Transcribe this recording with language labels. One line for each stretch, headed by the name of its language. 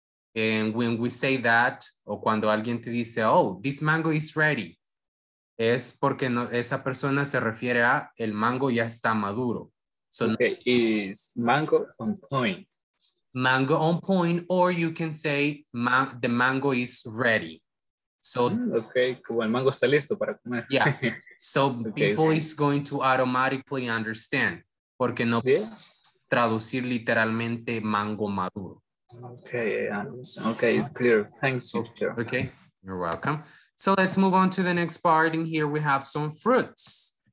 English: And when we say that,
Spanish: o cuando alguien te dice, oh,
English: this mango is ready,
Spanish: es porque no, esa persona se refiere a el mango ya está maduro.
English: So, okay, is mango on point. Mango on point, or you can say the mango is ready. So,
Spanish: okay, como el mango está listo para comer.
English: Yeah, so okay. People is going to automatically understand, porque no yes.
Spanish: Traducir literalmente mango maduro.
English: Okay, clear. Thanks, teacher. Okay, you're welcome. So let's move on to the next part. And here we have some fruits.